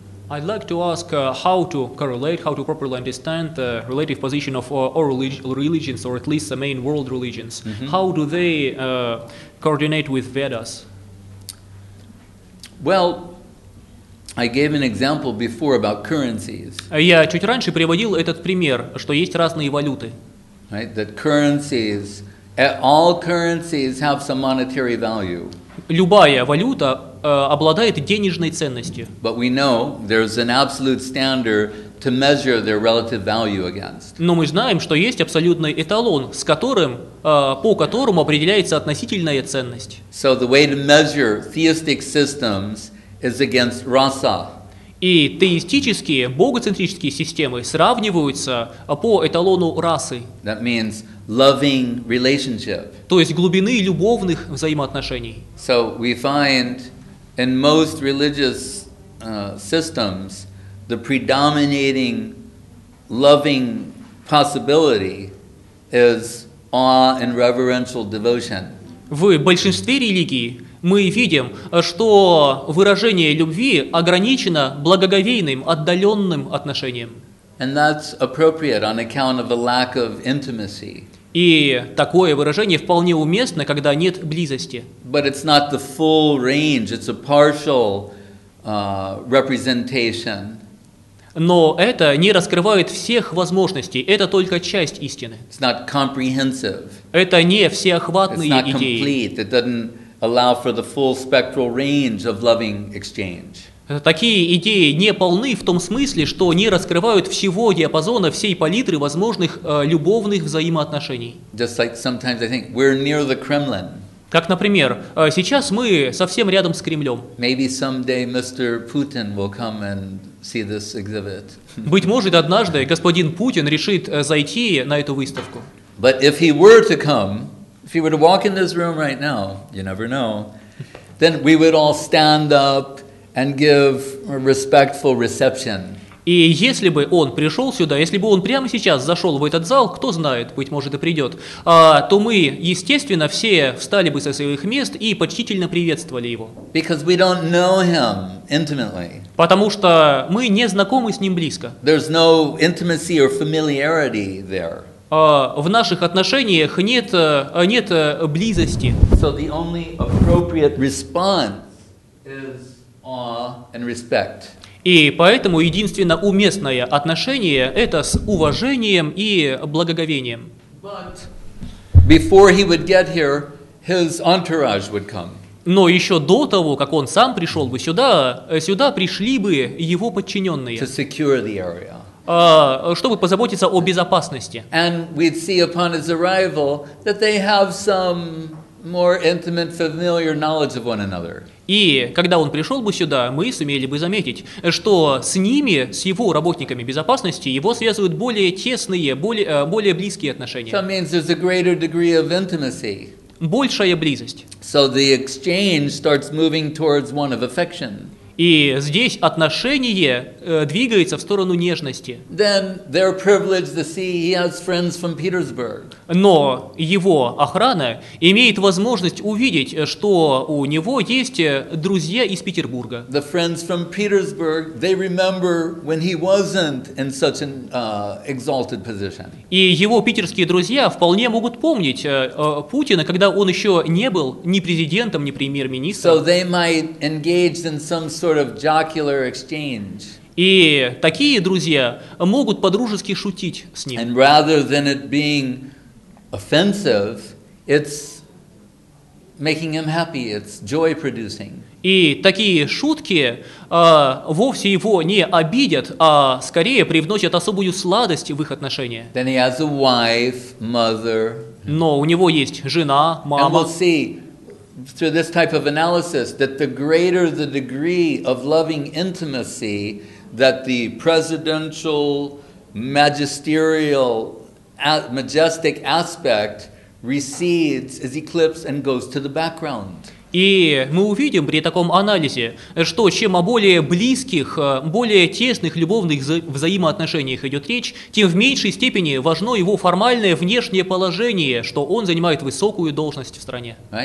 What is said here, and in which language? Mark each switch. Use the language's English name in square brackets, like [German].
[English] I'd like to ask how to correlate, how to properly understand the relative position of all religions, or at least the main world religions. Mm-hmm. How do they coordinate with Vedas? Well, I gave an example before about currencies. [Russian] Я чуть раньше приводил этот пример, что есть разные валюты. [English] Right, that currencies, all currencies have some monetary value. [Russian] Любая валюта обладает денежной ценностью. [English] But we know there's an absolute standard to measure their relative value against. [Russian] Но мы знаем, что есть абсолютный эталон, с которым, по которому определяется относительная ценность. [English] So the way to measure theistic systems is against rasa. [Russian] И теистические, богоцентрические системы сравниваются по эталону расы. [English] That means loving relationship. [Russian] То есть глубины любовных взаимоотношений. [English] So we find in most religious systems, the predominating loving possibility is awe and reverential devotion. [Russian] В большинстве религий мы видим, что выражение любви ограничено благоговейным, отдаленным отношением. [English] And that's appropriate on account of a lack of intimacy. [Russian] И такое выражение вполне уместно, когда нет близости. [English] But it's not the full range, it's a partial representation. [Russian] Но это не раскрывает всех возможностей, это только часть истины. [English] It's not comprehensive. [Russian] Это не всеохватные идеи. [English] It's not [Russian] идеи. [English] Complete, it doesn't allow for the full spectral range of loving exchange. [Russian] Такие идеи не полны в том смысле, что не раскрывают всего диапазона, всей палитры возможных любовных взаимоотношений. [English] Just like sometimes I think we're near the Kremlin. [Russian] Как, например, сейчас мы совсем рядом с Кремлем. [English] Maybe someday Mr. Putin will come and see this exhibit. [Russian] Быть может, однажды господин Путин решит зайти на эту выставку. [English] But if he were to come, if he were to walk in this room right now, you never know, then we would all stand up and give a respectful reception. [Russian] И если бы он пришел сюда, если бы он прямо сейчас зашел в этот зал, кто знает, быть может и придет, то мы, естественно, все встали бы со своих мест и почтительно приветствовали его. [English] Because we don't know him intimately. [Russian] Потому что мы не знакомы с ним близко. [English] There's no intimacy or familiarity there. [Russian] В наших отношениях нет, нет близости. [English] So the only appropriate response is awe and respect. [Russian] И поэтому единственно уместное отношение это с уважением и благоговением. [English] But before he would get here, his entourage would come. [Russian] Но еще до того, как он сам пришел бы сюда, сюда пришли бы его подчиненные. [English] To secure the area. [Russian] Чтобы позаботиться о безопасности. [English] And we'd see upon his arrival that they have some more intimate, familiar knowledge of one another. [Russian] И когда он пришел бы сюда, мы сумели бы заметить, что с ними, с его работниками безопасности, его связывают более тесные, более близкие отношения. [English] So it means there's a greater degree of intimacy. [Russian] Большая близость. [English] So the exchange starts moving towards one of affection. [Russian] И здесь отношение двигается в сторону нежности. [English] Then they're privileged to see he has friends from Petersburg. [Russian] Но его охрана имеет возможность увидеть, что у него есть друзья из Петербурга. [English] The friends from Petersburg, they remember when he wasn't in such an exalted position. [Russian] И его питерские друзья вполне могут помнить Путина, когда он еще не был ни президентом, ни премьер-министром. [English] So they might engage in some sort of jocular exchange. [Russian] И такие друзья могут по-дружески шутить с ним. [English] And rather than it being offensive, it's making him happy, it's joy producing. [Russian] И такие шутки вовсе его не обидят, а скорее привносят особую сладость в их отношения. [English] Then he has a wife, mother. [Russian] Но у него есть жена, мама. [English] And we'll see through this type of analysis that the greater the degree of loving intimacy that the presidential, magisterial, majestic aspect recedes, is eclipsed and goes to the background. [Russian] И мы увидим при таком анализе, что чем о более близких, более тесных любовных взаимоотношениях идет речь, тем в меньшей степени важно его формальное внешнее положение, что он занимает высокую должность в стране.